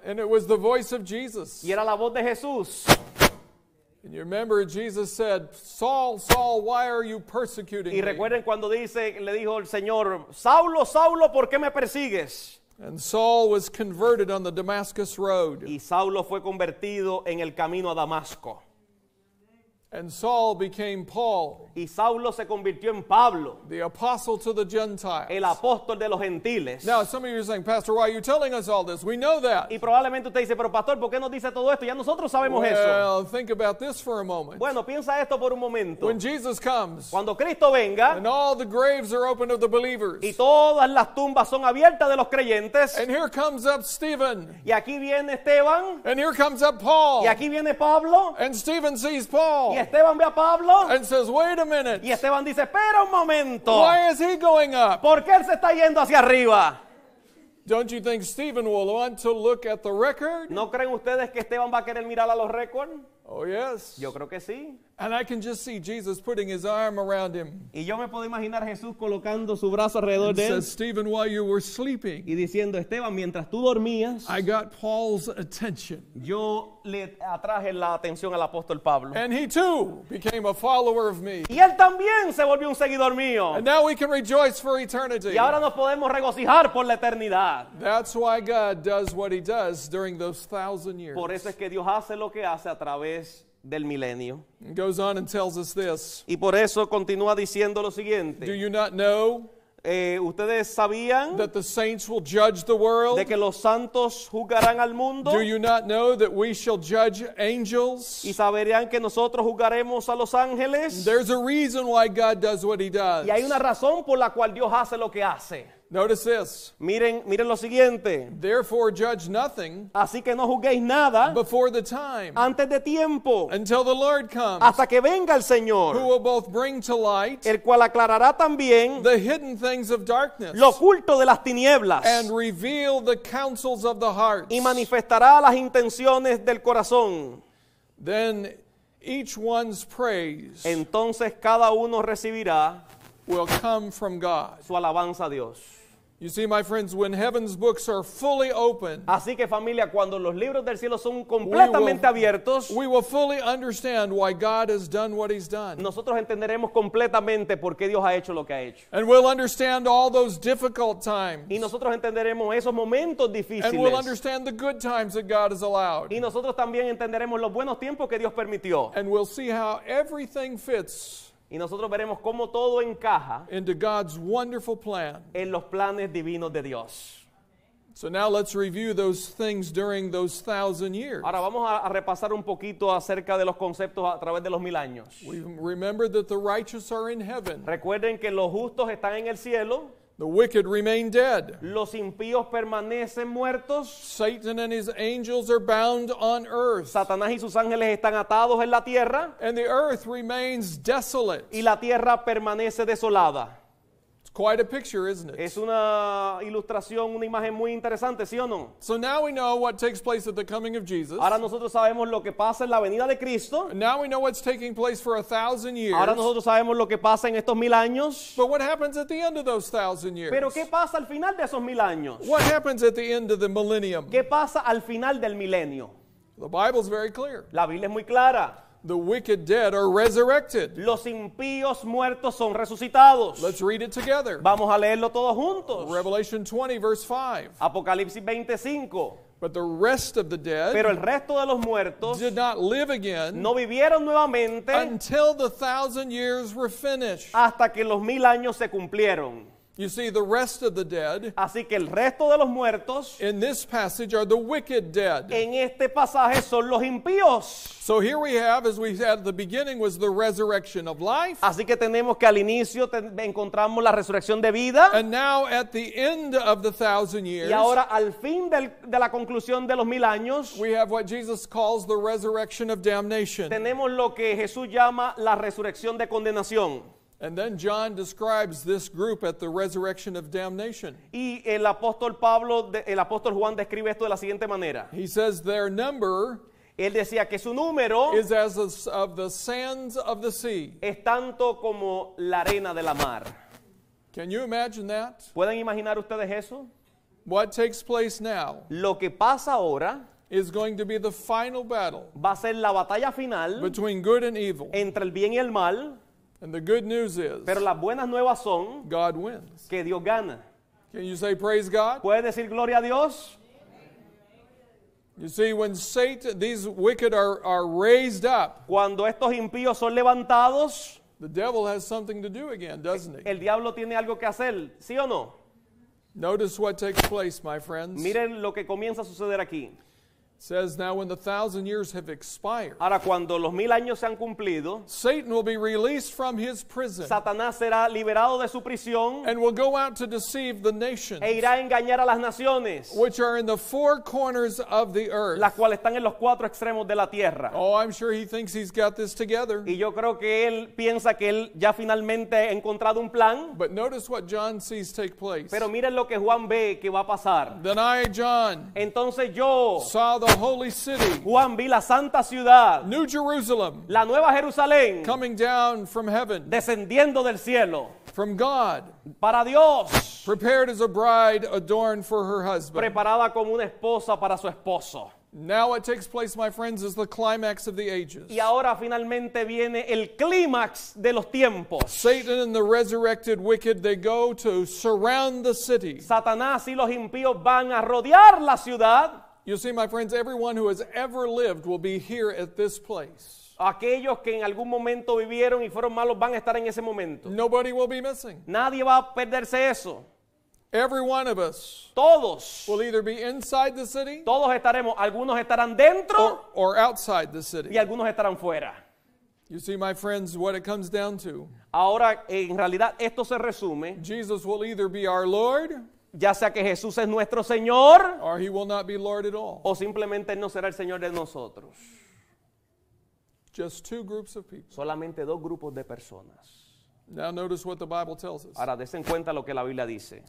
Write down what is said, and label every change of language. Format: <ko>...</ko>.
<en>And it was the voice of Jesus.</en> <es>Y era la voz de Jesús.</es> <en>And you remember Jesus said, "Saul, Saul, why are you persecuting me?"</en> <es>Y recuerden cuando dice, le dijo el Señor, "Saulo, Saulo, ¿por qué me persigues?"</es> <en>And Saul was converted on the Damascus road.</en> <es>Y Saulo fue convertido en el camino a Damasco.</es> <en>And Saul became Paul.</en> <es>Y Saulo se convirtió en Pablo.</es> <en>The apostle to the Gentiles.</en> <es>El apóstol de los gentiles.</es> <en>Now some of you are saying, "Pastor, why are you telling us all this? We know that."</en> <es>Y probablemente usted dice, "Pero pastor, ¿por qué nos dice todo esto? Ya nosotros sabemos</es> <en>well,</en> <es>eso."</es> <en>Well, think about this for a moment.</en> <es>Bueno, piensa esto por un momento.</es> <en>When Jesus comes.</en> <es>Cuando Cristo venga.</es> <en>And all the graves are open of the believers.</en> <es>Y todas las tumbas son abiertas de los creyentes.</es> <en>And here comes up Stephen.</en> <es>Y aquí viene Esteban.</es> <en>And here comes up Paul.</en> <es>Y aquí viene Pablo.</es> <en>And Stephen sees Paul.</en> <es>Esteban ve a Pablo.</es> <en>And says, "Wait a minute."</en> <es>Y Esteban dice, "Espera un momento."</es> <en>Why is he going up?</en> <es>¿Por qué él se está yendo hacia arriba?</es> <en>Don't you think Stephen will want to look at the record?</en> <es>¿No creen ustedes que Esteban va a querer mirar a los récords?</es> <en>Oh yes.</en> <es>Yo creo que sí.</es> <en>And I can just see Jesus putting his arm around him.</en> <es>Y yo me puedo imaginar a Jesús colocando su brazo alrededor de él.</es> <en>Says Stephen, "While you were sleeping."</en> <es>Y diciendo, Esteban, mientras tú dormías.</es> <en>I got Paul's attention.</en> <es>Yo le atraje la atención al apóstol Pablo.</es> <en>And he too became a follower of me.</en> <es>Y él también se volvió un seguidor mío.</es> <en>And now we can rejoice for eternity.</en> <es>Y ahora nos podemos regocijar por la eternidad.</es> <en>That's why God does what he does during those 1,000 years.</en> <es>Por eso es que Dios hace lo que hace a través del milenio.</es> <en>And goes on and tells us this.</en> <es>Y por eso continúa diciendo lo siguiente.</es> <en>Do you not know?</en> <es>¿Ustedes sabían?</es> <en>That the saints will judge the world.</en> <es>De que los santos juzgarán al mundo.</es> <en>Do you not know that we shall judge angels?</en> <es>¿Y sabrían que nosotros juzgaremos a los ángeles?</es> <en>There's a reason why God does what he does.</en> <es>Y hay una razón por la cual Dios hace lo que hace.</es> <en>Notice this.</en> <es>Miren lo siguiente.</es> <en>Therefore judge nothing.</en> <es>Así que no juzguéis nada.</es> <en>Before the time.</en> <es>Antes de tiempo.</es> <en>Until the Lord comes.</en> <es>Hasta que venga el Señor.</es> <en>Who will both bring to light.</en> <es>El cual aclarará también.</es> <en>The hidden things of darkness.</en> <es>Lo oculto de las tinieblas.</es> <en>And reveal the counsels of the heart.</en> <es>Y manifestará las intenciones del corazón.</es> <en>Then each one's praise.</en> <es>Entonces cada uno recibirá.</es> <en>Will come from God.</en> <es>Su alabanza a Dios.</es> <en>You see, my friends, when heaven's books are fully open,</en> <es>así que familia, cuando los libros del cielo son completamente abiertos,</es> <en>we will fully understand why God has done what he's done.</en> <es>Nosotros entenderemos completamente por qué Dios ha hecho lo que ha hecho.</es> <en>And we'll understand all those difficult times.</en> <es>Y nosotros entenderemos esos momentos difíciles.</es> <en>And we'll understand the good times that God has allowed.</en> <es>Y nosotros también entenderemos los buenos tiempos que Dios permitió.</es> <en>And we'll see how everything fits.</en> <es>Y nosotros veremos cómo todo encaja</es> <en>into God's wonderful plan.</en> <es>En los planes divinos de Dios.</es> <en>So now let's review those things during those 1,000 years.</en> <es>Ahora vamos a repasar un poquito acerca de los conceptos a través de los 1,000 años.</es> <en>We remember that the righteous are in heaven.</en> <es>Recuerden que los justos están en el cielo.</es> <en>The wicked remain dead.</en> <es>Los impíos permanecen muertos.</es> <en>Satan and his angels are bound on earth.</en> <es>Satanás y sus ángeles están atados en la tierra.</es> <en>And the earth remains desolate.</en> <es>Y la tierra permanece desolada.</es> <en>It's quite a picture, isn't it?</en> <es>Es una ilustración, una imagen muy interesante, ¿sí o no?</es> <en>So now we know what takes place at the coming of Jesus.</en> <es>Ahora nosotros sabemos lo que pasa en la venida de Cristo.</es> <en>And now we know what's taking place for 1,000 years.</en> <es>Ahora nosotros sabemos lo que pasa en estos 1,000 años.</es> <en>But what happens at the end of those 1,000 years?</en> <es>Pero ¿qué pasa al final de esos 1,000 años?</es> <en>What happens at the end of the millennium?</en> <es>¿Qué pasa al final del milenio?</es> <en>The Bible's very clear.</en> <es>La Biblia es muy clara.</es> <en>The wicked dead are resurrected.</en> <es>Los impíos muertos son resucitados.</es> <en>Let's read it together.</en> <es>Vamos a leerlo todos juntos.</es> <en>Revelation 20, verse 5.</en> <es>Apocalipsis 25.</es> <en>But the rest of the dead,</en> <es>pero el resto de los muertos,</es> <en>did not live again,</en> <es>no vivieron nuevamente,</es> <en>until the 1,000 years were finished,</en> <es>hasta que los 1,000 años se cumplieron.</es> <en>You see, the rest of the dead,</en> <es>así que el resto de los muertos,</es> <en>in this passage are the wicked dead.</en> <es>En este pasaje son los impíos.</es> <en>So here we have, as we said at the beginning, was the resurrection of life.</en> <es>Así que tenemos que al inicio encontramos la resurrección de vida.</es> <en>And now at the end of the 1,000 years,</en> <es>y ahora al fin de la conclusión de los 1,000 años,</es> <en>we have what Jesus calls the resurrection of damnation.</en> <es>Tenemos lo que Jesús llama la resurrección de condenación.</es> <en>And then John describes this group at the resurrection of damnation.</en> <es>Y el apóstol Pablo, el apóstol Juan describe esto de la siguiente manera.</es> <en>He says their number,</en> <es>él decía que su número,</es> <en>is as of the sands of the sea.</en> <es>Es tanto como la arena de la mar.</es> <en>Can you imagine that?</en> <es>¿Pueden imaginar ustedes eso?</es> <en>What takes place now?</en> <es>Lo que pasa ahora</es> <en>is going to be the final battle.</en> <es>Va a ser la batalla final</es> <en>between good and evil.</en> <es>Entre el bien y el mal.</es> <en>And the good news is,</en> <es>pero las buenas nuevas son,</es> <en>God wins.</en> <es>Que Dios gana.</es> <en>Can you say praise God?</en> <es>¿Puedes decir gloria a Dios?</es> <en>You see, when Satan, these wicked are raised up,</en> <es>cuando estos impíos son levantados,</es> <en>the devil has something to do again, doesn't he?</en> <es>El diablo tiene algo que hacer, ¿sí o no?</es> <en>Notice what takes place, my friends.</en> <es>Miren lo que comienza a suceder aquí.</es> <en>Says now when the 1,000 years have expired.</en> <es>Ahora cuando los 1,000 años se han cumplido,</es> <en>Satan will be released from his prison.</en> <es>Satanás será liberado de su prisión.</es> <en>And will go out to deceive the nations.</en> <es>E irá a engañar a las naciones.</es> <en>Which are in the four corners of the earth.</en> <es>Las cuales están en los cuatro extremos de la tierra.</es> <en>Oh, I'm sure he thinks he's got this together.</en> <es>Y yo creo que él piensa que él ya finalmente ha encontrado un plan.</es> <en>But notice what John sees take place.</en> <es>Pero miren lo que Juan ve que va a pasar.</es> <en>Then I, John,</en> <es>entonces yo</es> <en>saw the holy city,</en> <es>Juan vi la santa ciudad,</es> <en>New Jerusalem,</en> <es>la nueva Jerusalén,</es> <en>coming down from heaven,</en> <es>descendiendo del cielo,</es> <en>from God,</en> <es>para Dios,</es> <en>prepared as a bride adorned for her husband,</en> <es>preparada como una esposa para su esposo.</es> <en>Now what takes place, my friends, is the climax of the ages.</en> <es>Y ahora finalmente viene el clímax de los tiempos.</es> <en>Satan and the resurrected wicked, they go to surround the city.</en> <es>Satanás y los impíos van a rodear la ciudad.</es> <en>You see, my friends, everyone who has ever lived will be here at this place.</en> <es>Aquellos que en algún momento vivieron y fueron malos van a estar en ese momento.</es> <en>Nobody will be missing.</en> <es>Nadie va a perderse eso.</es> <en>Every one of us,</en> <es>todos,</es> <en>will either be inside the city,</en> <es>todos estaremos, algunos estarán dentro,</es> <en>or outside the city,</en> <es>y algunos estarán fuera.</es> <en>You see, my friends, what it comes down to.</en> <es>Ahora, en realidad, esto se resume.</es> <en>Jesus will either be our Lord,</en> <es>ya sea que Jesús es nuestro Señor,</es> <en>or he will not be Lord at all,</en> <es>o simplemente no será el Señor de nosotros.</es> <en>Just two groups of people.</en> <es>Solamente dos grupos de personas.</es> <en>Now notice what the Bible tells us.</en> <es>Ahora dense en cuenta lo que la Biblia dice.</es>